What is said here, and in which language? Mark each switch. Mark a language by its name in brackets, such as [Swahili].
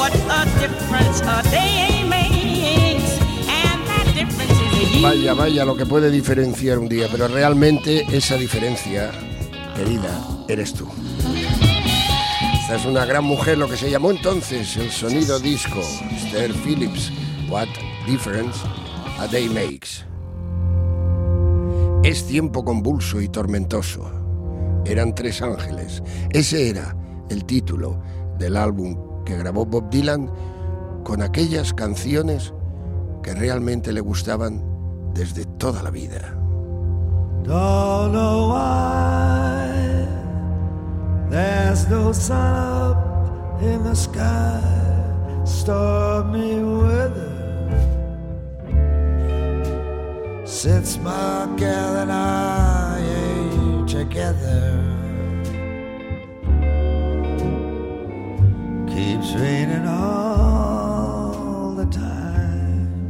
[English] A difference a day makes, and that difference. [Spanish] Vaya, vaya, lo que puede diferenciar un día, pero realmente esa diferencia, querida, eres tú. Esta es una gran mujer, lo que se llamó entonces el sonido disco, Esther Phillips, What Difference a Day Makes. Es tiempo convulso y tormentoso. Eran tres ángeles. Ese era el título del álbum que grabó Bob Dylan con aquellas canciones que realmente le gustaban desde toda la vida. [English] Don't know why there's no sun up in the sky, stormy weather. Since my girl and I ain't together, keeps raining all the time.